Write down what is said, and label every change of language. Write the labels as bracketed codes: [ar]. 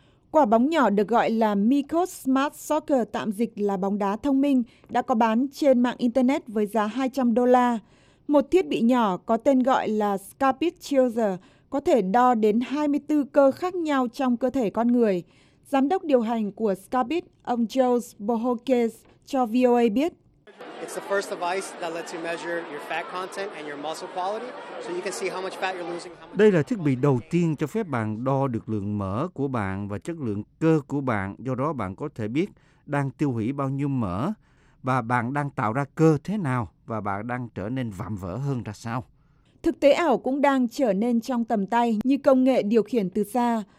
[vi] Quả bóng nhỏ được gọi là Miko Smart Soccer, tạm dịch là bóng đá thông minh, đã có bán trên mạng Internet với giá $200. Một thiết bị nhỏ có tên gọi là Scarpit Chaser có thể đo đến 24 cơ khác nhau trong cơ thể con người. Giám đốc điều hành của Scarpit, ông Joe Bohokes, cho VOA biết. [en] It's the first device that lets you measure your fat content and your muscle quality, so you can see how much fat you're losing. [vi] Đây là thiết bị đầu tiên cho phép bạn đo được lượng mỡ của bạn và chất lượng cơ của bạn, do đó bạn có thể biết đang tiêu hủy bao nhiêu mỡ và bạn đang tạo ra cơ thế nào và bạn đang trở nên vạm vỡ hơn ra sao. Thực tế ảo cũng đang trở nên trong tầm tay như công nghệ điều khiển từ xa.